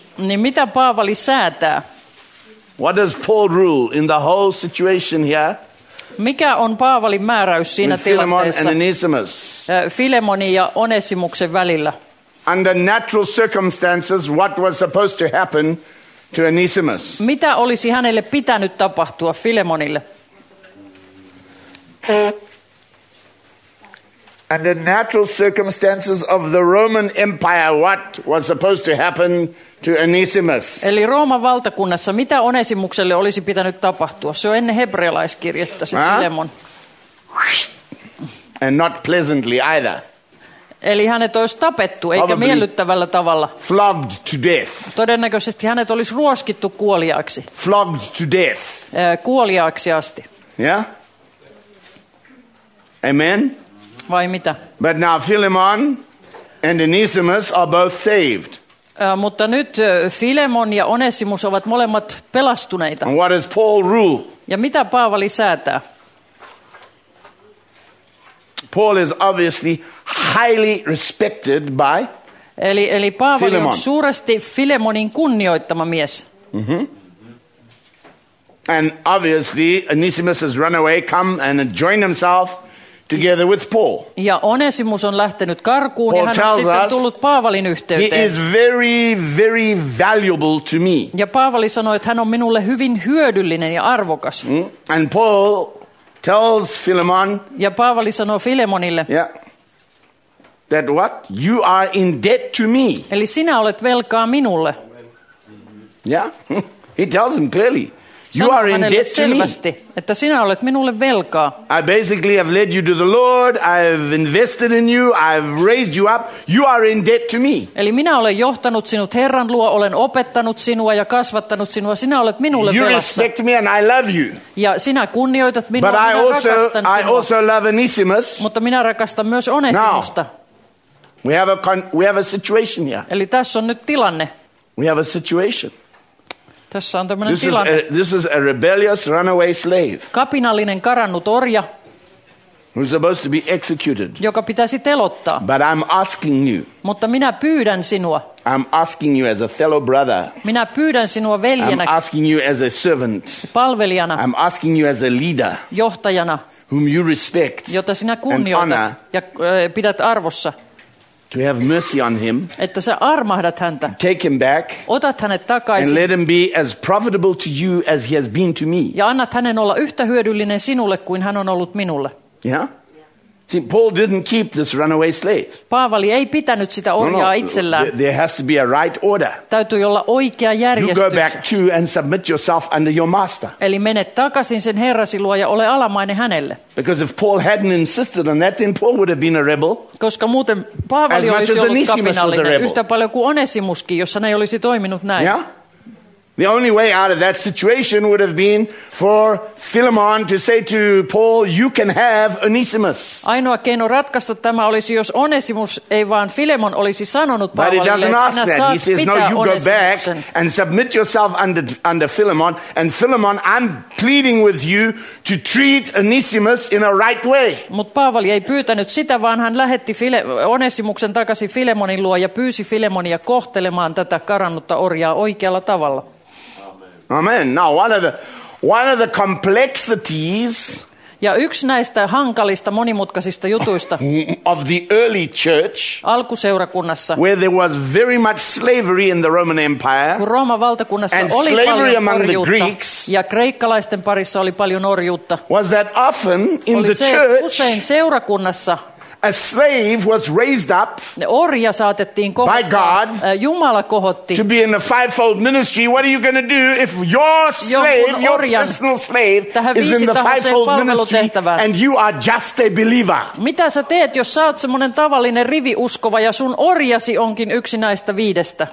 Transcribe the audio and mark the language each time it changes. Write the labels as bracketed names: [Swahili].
[Finnish] Niin mitä Paavali säätää? [English] What does Paul rule in the whole situation here? [Finnish] Mikä on Paavalin määräys siinä tilanteessa? Filemoni ja Onesimuksen välillä. [English] Under natural circumstances, what was supposed to happen to Onesimus? [Finnish] Mitä olisi hänelle pitänyt tapahtua Filemonille? [English] Under natural circumstances of the Roman Empire, what was supposed to happen to Onesimus? [Finnish] Eli Rooman valtakunnassa, mitä Onesimukselle olisi pitänyt tapahtua? Se on ennen hebrealaiskirjettä, se Filemon. [English] And not pleasantly either. [Finnish] Eli hänet olisi tapettu, eikä [English] probably [Finnish] miellyttävällä tavalla. [English] Flogged to death. [Finnish] Todennäköisesti hänet olisi ruoskittu kuoliaaksi. [English] Flogged to death. [Finnish] Kuoliaaksi asti. [English] Yeah? Amen? [Finnish] Vai mitä? [English] But now Philemon and Onesimus are both saved. [Finnish] Mutta nyt Filemon ja Onesimus ovat molemmat pelastuneita. [English] And what does Paul rule? [Finnish] Ja mitä Paavali säätää? [English] Paul is obviously highly respected by [Finnish] eli Paavali Philemon. On suuresti Filemonin kunnioittama mies. Mm-hmm. [English] And obviously Onesimus has run away, come and join himself together with Paul. [Finnish] Ja Onesimus on lähtenyt karkuun ja hän on sitten tullut Paavalin yhteyteen. [English] He is very, very valuable to me. [Finnish] Ja Paavali sanoi, että hän on minulle hyvin hyödyllinen ja arvokas. [English] Mm-hmm. And Paul tells Philemon. [Finnish] Ja Paavali sanoo Filemonille. [English] Yeah. That what? You are in debt to me. [Finnish] Eli sinä olet velkaa minulle. [English] Yeah. He tells him clearly. You are in debt to me. [Finnish] Että sinä olet minulle velkaa. [English] I basically have led you to the Lord. I've invested in you. I've raised you up. You are in debt to me. [Finnish] Eli minä olen johtanut sinut Herran luo, olen opettanut sinua ja kasvattanut sinua. Sinä olet minulle [English] you [Finnish] velassa. [English] You respect me and I love you. [Finnish] Ja sinä kunnioitat minua. [English] But [Finnish] minä [English] I also love Onesimus. [Finnish] Mutta minä rakastan myös Onesimusta. [English] We have a situation here. [Finnish] Eli tässä on nyt tilanne. [English] We have a situation. [Finnish] Tässä on tämmöinen tilanne. [English] This is a rebellious runaway slave. [Finnish] Kapinallinen karannut orja. [English] Who's supposed to be executed. [Finnish] Joka pitäisi telottaa. [English] But I'm asking you. [Finnish] Mutta minä pyydän sinua. [English] I'm asking you as a fellow brother. [Finnish] Minä pyydän sinua veljenä. [English] I'm asking you as a servant. [Finnish] Palvelijana. [English] I'm asking you as a leader. [Finnish] Johtajana. [English] Whom you respect. [Finnish] Jota sinä kunnioitat ja pidät arvossa. [English] To have mercy on him. [Finnish] Että sä armahdat häntä. [English] Take him back. [Finnish] Otat hänet takaisin. [English] And let him be as profitable to you as he has been to me. [Finnish] Ja annat hänen olla yhtä hyödyllinen sinulle kuin hän on ollut minulle. [English] Yeah? See, Paul didn't keep this runaway slave. [Finnish] Paavali ei pitänyt sitä orjaa itsellään. [English] There has to be a right order. [Finnish] Täytyy olla oikea järjestys. [English] You go back to and submit yourself under your master. [Finnish] Eli mene takaisin sen herrasi luo ja ole alamainen hänelle. [English] Because if Paul hadn't insisted on that, then Paul would have been a rebel. [Finnish] Koska muuten Paavali olisi ollut kapinallinen yhtä paljon kuin Onesimuskin, jos hän ei olisi toiminut näin. [English] Yeah? The only way out of that situation would have been for Philemon to say to Paul, you can have Onesimus. [Finnish] Ainoa keino ratkaista tämä olisi, jos Onesimus ei vaan Filemon olisi sanonut Paavalille, että sinä saat pitää Onesimuksen. [English] He says, no, you go back and submit yourself under Philemon. And Philemon, I'm pleading with you to treat Onesimus in a right way. [Finnish] Mutta Paavali ei pyytänyt sitä, vaan hän lähetti Onesimuksen takaisin Filemonin luo ja pyysi Filemonia kohtelemaan tätä karannutta orjaa oikealla tavalla. [English] Amen. Now one of the complexities. [Finnish] Ja yksi näistä hankalista monimutkaisista jutuista. [English] Of the early church. [Finnish] Alkuseurakunnassa. [English] Where there was very much slavery in the Roman Empire. [Finnish] Kun Rooman valtakunnassa oli paljon orjuutta. [English] And slavery among the Greeks. [Finnish] Ja kreikkalaisten parissa oli paljon orjuutta. [English] Was that often in the church? [Finnish] Oli se, että usein seurakunnassa. [English] A slave was raised up. [Finnish] Orja saatettiin [English] by God. [Finnish] Jumala kohotti. [English] To be in a fivefold ministry. What are you going to do if your slave, your personal slave, is in the fivefold ministry and you are just a believer? [Finnish] Mitä sä teet, jos sä oot semmonen tavallinen riviuskova ja sun orjasi onkin yksi näistä viidestä?